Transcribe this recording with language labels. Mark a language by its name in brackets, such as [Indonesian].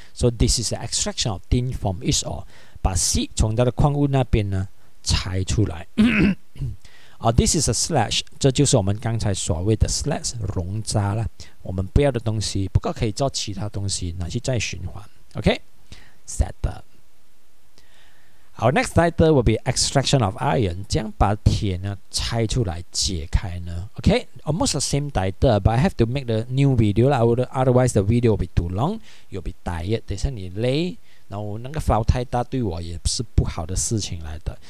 [English] So this is the extraction of tin from each ore. [Chinese] 把锡从它的矿物那边呢拆出来。 [English] this is a slag. [Chinese] 这就是我们刚才所谓的 slag 熔渣了。我们不要的东西，不过可以做其他东西，拿去再循环。 [English] Okay, set up. Our next title will be extraction of iron. [Chinese] 这样把铁呢拆出来解开呢。 [English] Okay, almost the same title, but I have to make the new video. I would otherwise the video will be too long. You'll be tired. [Chinese] 等下你累，然后那个 file 太大对我也是不好的事情来的。